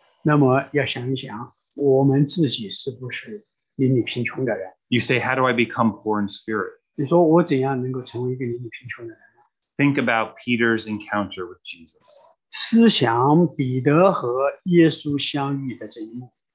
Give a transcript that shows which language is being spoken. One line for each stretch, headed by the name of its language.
Chinese: 那么要想一想，我们自己是不是邻里贫穷的人？
English: You say, how do I become poor in spirit?
Chinese: 你说我怎样能够成为一个邻里贫穷的人呢？
English: Think about Peter's encounter with Jesus.
Chinese: 思想彼得和耶稣相遇的这一幕。